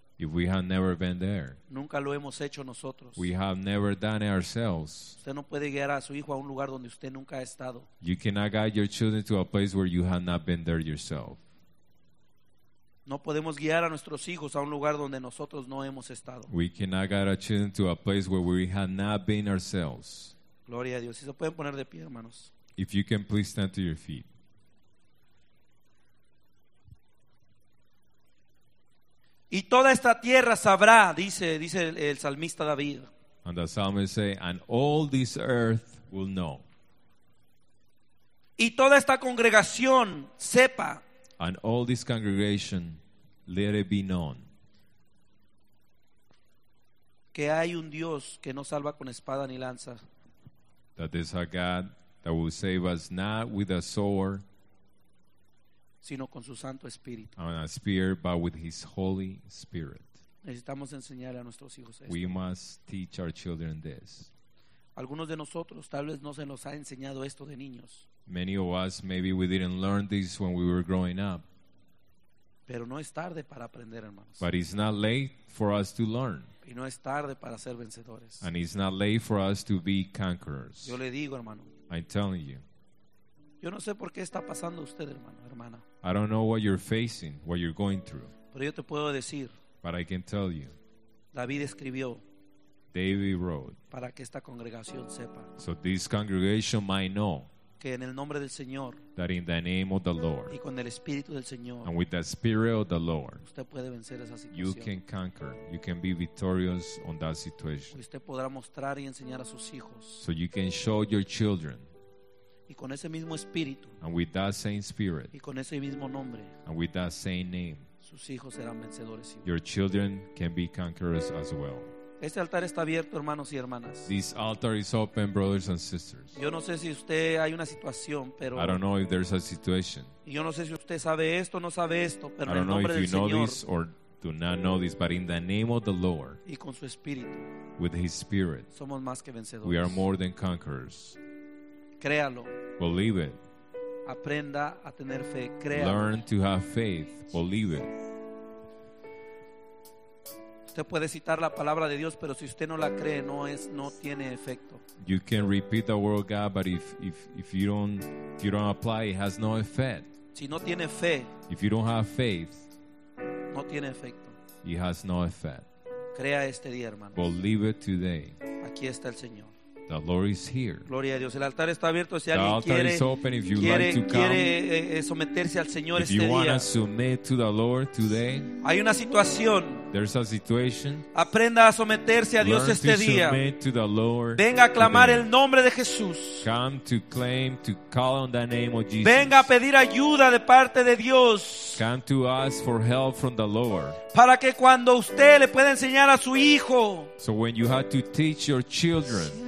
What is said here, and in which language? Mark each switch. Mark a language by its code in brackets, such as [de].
[en] If we have never been there. [es] Nunca lo hemos hecho nosotros. [en] We have never done it ourselves. [es] Usted no puede guiar a su hijo a un lugar donde usted nunca ha estado. [en] You cannot guide your children to a place where you have not been there yourself. [es] No podemos guiar a nuestros hijos a un lugar donde nosotros no hemos estado. [en] We cannot guide our children to a place where we have not been ourselves. [es] Gloria a Dios. Si se pueden poner de pie, hermanos. [en] If you can please stand to your feet. [es] Y toda esta tierra sabrá, dice el salmista David. [en] And the psalmist say, and all this earth will know. [es] Y toda esta congregación sepa. [en] And all this congregation, let it be known. [es] Que hay un Dios que no salva con espada ni lanza. [en] That there's a God that will save us not with a sword [es] sino con su Santo Espíritu. [en] On a spirit, but with His Holy Spirit. [es] Necesitamos enseñar a nuestros hijos esto. [en] We must teach our children this. [es] Algunos de nosotros tal vez no se nos ha enseñado esto de niños. [en] Many of us, maybe we didn't learn this when we were growing up. [es] Pero no es tarde para aprender, hermanos. [en] But it's not late for us to learn. [es] Y no es tarde para ser vencedores. [en] And it's not late for us to be conquerors. [es] Yo le digo, hermano. [en] I'm telling you. [es] Yo no sé por qué está pasando usted, hermano, hermana. [en] I don't know what you're facing, what you're going through. [es] Pero yo te puedo decir. [en] But I can tell you. [es] David escribió. [en] David wrote. [es] Para que esta congregación sepa. [en] So this congregation might know. [es] Que en el nombre del Señor. [en] That in the name of the Lord. [es] Y con el Espíritu del Señor. [en] And with the Spirit of the Lord. [es] Usted puede vencer esa situación. [en] You can conquer. You can be victorious on that situation. [es] Y usted podrá mostrar y enseñar a sus hijos. [en] So you can show your children. [es] Y con ese mismo Espíritu. [en] And with that same Spirit. [es] Y con ese mismo nombre. [en] And with that same name. [es] Sus hijos serán vencedores. [en] Your children can be conquerors as well. [es] Este altar está abierto, hermanos y hermanas. [en] This altar is open, brothers and sisters. [es] Yo no sé si usted hay una situación, pero [en] I don't know if there's a situation. [es] Y yo no sé si usted sabe esto, no sabe esto, pero [en] I don't know [es] en el nombre [en] if [es] del Señor, [en] know this or do not know this, but in the name of the Lord. [es] Y con su Espíritu. [en] With His Spirit. [es] Somos más que vencedores. [en] We are more than conquerors. [es] Créalo. [en] Believe it. [es] Aprenda a tener fe. Créalo. [en] Learn to have faith. Believe it. [es] Usted puede citar la palabra de Dios, pero si usted no la cree, no tiene efecto. [en] You can repeat the word of God, but if you don't apply, it has no effect. [es] Si no tiene fe, [en] if you don't have faith, [es] no tiene efecto. [en] It has no effect. [es] Crea este día, hermano. [en] Believe it today. [es] Aquí está el Señor. [en] The Lord is here. [es] Gloria a Dios. El altar está abierto. Si alguien quiere someterse al Señor este día. [en] If you want to submit to the Lord today. [es] Hay una situación. [en] There's a situation. [es] Aprenda a someterse a Dios este día. [en] Learn to submit to the Lord. [es] Venga a clamar el nombre de Jesús. [en] Come to claim to call on the name of Jesus. [es] Venga a pedir ayuda de parte de Dios. [en] Come to ask for help from the Lord. [es] Para que cuando usted le pueda enseñar a su hijo. [en] So when you have to teach your children.